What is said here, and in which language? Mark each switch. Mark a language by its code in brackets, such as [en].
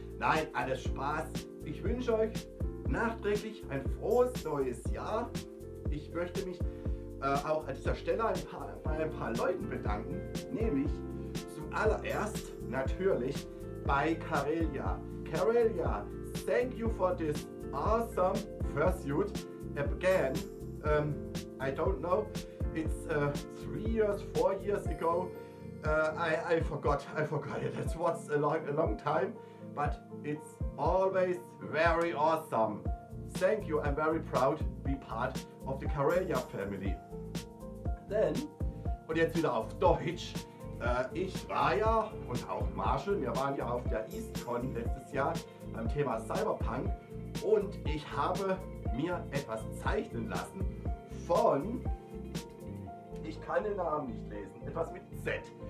[de] Nein, alles Spaß. Ich wünsche euch nachträglich ein frohes neues Jahr. Ich möchte mich auch an dieser Stelle bei ein paar Leuten bedanken, nämlich zuallererst natürlich bei Karelia. [en] Karelia, thank you for this awesome fursuit again. I don't know, it's 3 years, 4 years ago. I forgot it. It was a long time, but it's always very awesome. Thank you, I'm very proud to be part of the Karelia family. [de] Denn, und jetzt wieder auf Deutsch, ich war ja, und auch Marshall, wir waren ja auf der EastCon letztes Jahr beim Thema Cyberpunk, und ich habe mir etwas zeichnen lassen von, ich kann den Namen nicht lesen, etwas mit Z.